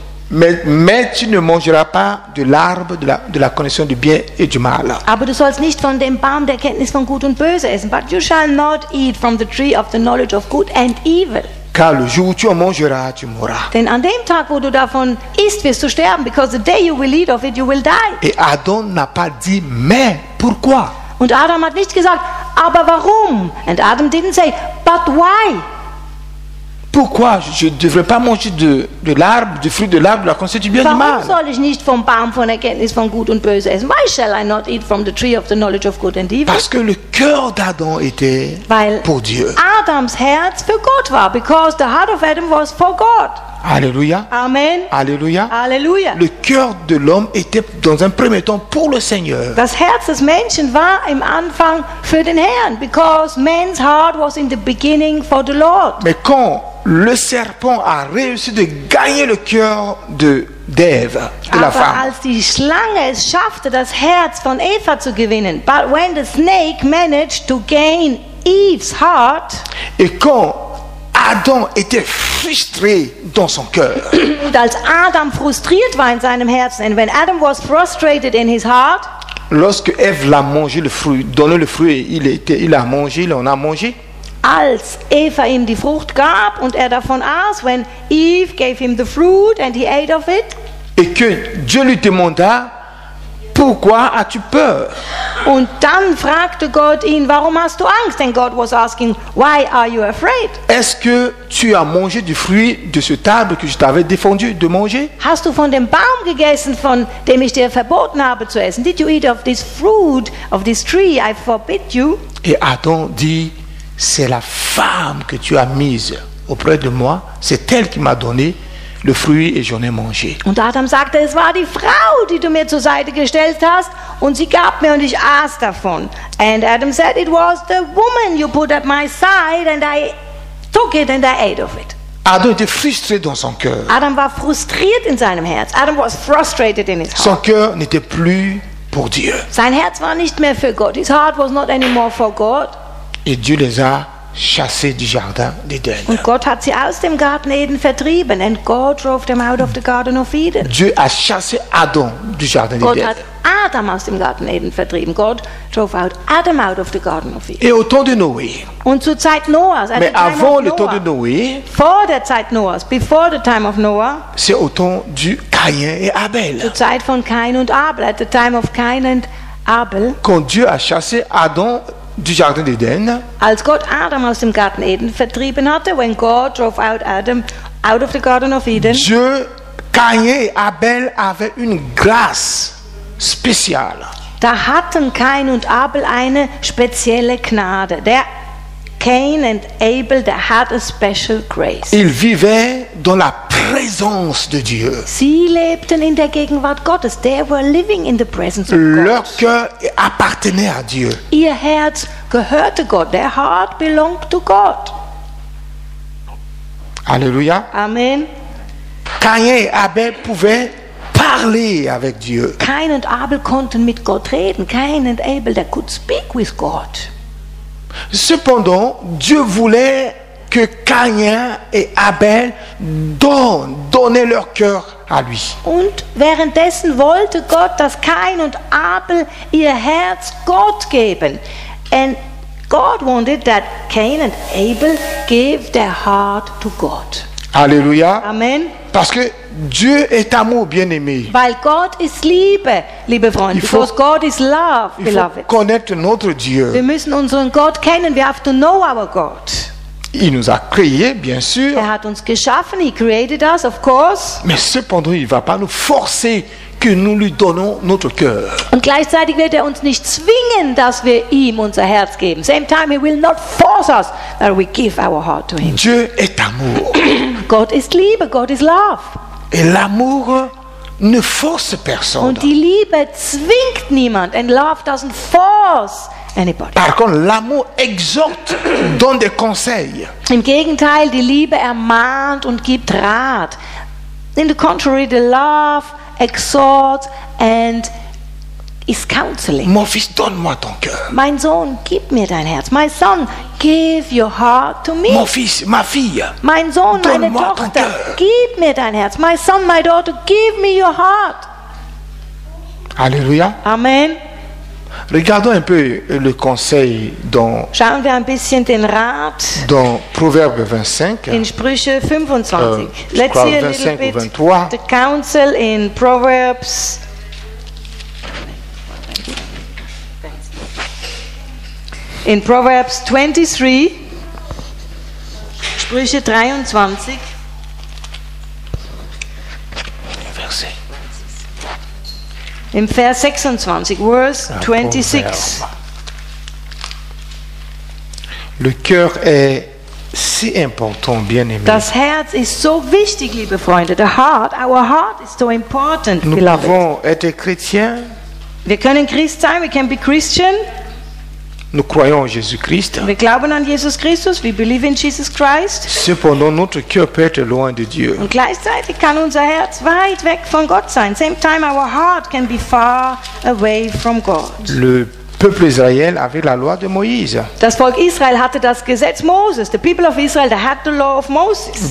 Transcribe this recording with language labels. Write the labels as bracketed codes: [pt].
[fr] Mais tu ne mangeras pas de l'arbre de la connaissance du bien et du mal. [de] Aber du sollst nicht von dem Baum der Kenntnis von Gut und Böse essen. [en] But you shall not eat from the tree of the knowledge of good and evil. [fr] Car le jour où tu en mangeras, tu mourras. [de] Denn an dem Tag, wo du davon isst, wirst du sterben. [en] Because the day you will eat of it, you will die. [fr] Et Adam n'a pas dit mais pourquoi? [de] Und Adam hat nicht gesagt, aber warum? [en] And Adam didn't say, but why? [fr] Pourquoi je ne devrais pas manger de l'arbre, du fruit de l'arbre de la connaissance du bien et du mal? [de] Warum soll ich nicht vom Baum von Erkenntnis von Gut und Böse essen? [en] Why shall I not eat from the tree of the knowledge of good and evil? [fr] Parce que le cœur d'Adam était pour Dieu. [de] Adams Herz für Gott war, [en] because the heart of Adam was for God. [fr] Alléluia. Amen. Alléluia. Alléluia. Le cœur de l'homme était dans un premier temps pour le Seigneur. [de] Das Herz des Menschen war im Anfang für den Herrn, [en] because man's heart was in the beginning for the Lord. [fr] Mais quand le serpent a réussi de gagner le cœur d'Ève, de la femme. [de] Als die Schlange es schaffte, das Herz von Eva zu gewinnen, [en] but when the snake managed to gain Eve's heart, [fr] et quand Adam était frustré dans son cœur, [de] und als Adam frustriert war in seinem Herzen, [en] and when Adam was frustrated in his heart, [fr] lorsque Ève l'a mangé le fruit, donné le fruit, il en a mangé. [de] Als Eva ihm die Frucht gab und er davon aß, [en] when Eve gave him the fruit and he ate of it. [fr] Et que Dieu lui demanda, pourquoi as-tu peur? [de] Und dann fragte Gott ihn, warum hast du Angst? [en] And God was asking, why are you afraid? [fr] Est-ce que tu as mangé du fruit de ce arbre que je t'avais défendu de manger? [de] Hast du von dem Baum gegessen, von dem ich dir verboten habe zu essen? [en] Did you eat of this fruit of this tree I forbid you? [fr] Et Adam dit, c'est la femme que tu as mise auprès de moi, c'est elle qui m'a donné le fruit et j'en ai mangé. [de] Und Adam sagte, es war die Frau, die du mir zur Seite gestellt hast, und sie gab mir und ich aß davon. [en] And Adam said, it was the woman you put at my side and I took it and I ate of it. [fr] Adam était frustré dans son cœur. [de] Adam war frustriert in seinem Herz. [en] Adam was frustrated in his heart. [fr] Son cœur n'était plus pour Dieu. [de] Sein Herz war nicht mehr für Gott. [en] His heart was not anymore for God. [fr] Et Dieu les a chassés du jardin d'Éden. [de] Und Gott hat sie aus dem Garten Eden vertrieben. [en] And God drove them out of the Garden of Eden. [fr] Dieu a chassé Adam du jardin d'Éden. [de] Gott hat Adam aus dem Garten Eden vertrieben. [en] God drove out Adam out of the Garden of Eden. [fr] Et au temps de Noé. [de] Und zur Zeit Noahs. [fr] Mais avant le temps de Noé. [de] Vor der Zeit Noahs. [en] Before the time of Noah. [fr] C'est au temps du Caïn et Abel. [de] Zur Zeit von Cain und Abel. [en] At the time of Cain and Abel. [fr] Quand Dieu a chassé Adam du jardin d'Eden. [de] Als Gott Adam aus dem Garten Eden vertrieben hatte, [en] when God drove out Adam out of the Garden of Eden. [fr] Dieu, Caïn et Abel avaient une grâce spéciale. [de] Da hatten Cain und Abel eine spezielle Gnade. [en] Der Cain and Abel, they had a special grace. [fr] Ils vivaient dans la présence de Dieu. [de] Sie lebten in der Gegenwart Gottes. [en] They were living in the presence of God. [fr] Leur cœur appartenait à Dieu. [de] Ihr Herz gehörte Gott. [en] Their heart belonged to God. [fr] Alléluia. Amen. Caïn et Abel pouvaient parler avec Dieu. [de] Cain und Abel konnten mit Gott reden. [en] Cain and Abel, they could speak with God. [fr] Cependant, Dieu voulait que Caïn et Abel donnaient leur cœur à lui. [de] Und währenddessen wollte Gott, dass Cain und Abel ihr Herz Gott geben. [en] And God wanted that Cain and Abel gave their heart to God. [fr] Alléluia. Amen. Parce que Dieu est amour, bien-aimé. [de] Weil Gott ist Liebe, liebe Freunde. [en] Because God is love, beloved. [fr] Connaître notre Dieu. [de] Wir müssen unseren Gott kennen. [en] We have to know our God. [fr] Il nous a créés, bien sûr. [de] Er hat uns geschaffen, [en] he created us, of course. [fr] Mais cependant, il ne va pas nous forcer que nous lui donnons notre cœur. [de] Und gleichzeitig wird uns nicht zwingen, dass wir ihm unser Herz geben. [en] Same time, he will not force us that we give our heart to him. [fr] Dieu est amour. [en] God is [de] Liebe, [en] God is love. [fr] Et l'amour ne force personne. [de] Und die Liebe zwingt niemand. [en] And love doesn't force anybody. [fr] Par contre, l'amour exhorte, donne des conseils. [de] Im Gegenteil, die Liebe ermahnt und gibt Rat. [en] In the contrary, the love exhorts and is counseling. [fr] Mon fils, donne-moi ton cœur. [de] Mein Sohn, gib mir dein Herz. [en] My son, give your heart to me. [fr] Mon fils, ma fille. [de] Mein Sohn, meine Tochter, gib mir dein Herz. [en] My son, my daughter, give me your heart. [fr] Alléluia. Amen. Regardons un peu le conseil dans. [de] Schauen wir ein bisschen den Rat. [fr] Dans Proverbe 25. [de] In Sprüche 25. [en] Let's see a little bit. The counsel in Proverbs. In Proverbs 23. [de] Sprüche 23. Im Vers 26, [en] Verse 26. [fr] Le cœur est si important, bien-aimé. [de] Das Herz ist so wichtig, liebe Freunde. [en] The heart, our heart is so important, beloved. [fr] Nous pouvons être chrétiens. [de] Wir können Christ sein, [en] we can be Christian. [fr] Nous croyons en Jésus-Christ. [de] Wir glauben an Jesus Christus, [en] we believe in Jesus Christ. [fr] Cependant, notre cœur peut être loin de Dieu. [de] Und gleichzeitig kann unser Herz weit weg von Gott sein. [en] Same time our heart can be far away from God. [fr] Le peuple d'Israël avait la loi de Moïse. [de] Das Volk Israel hatte das Gesetz Moses. [en] The people of Israel they had the law of Moses.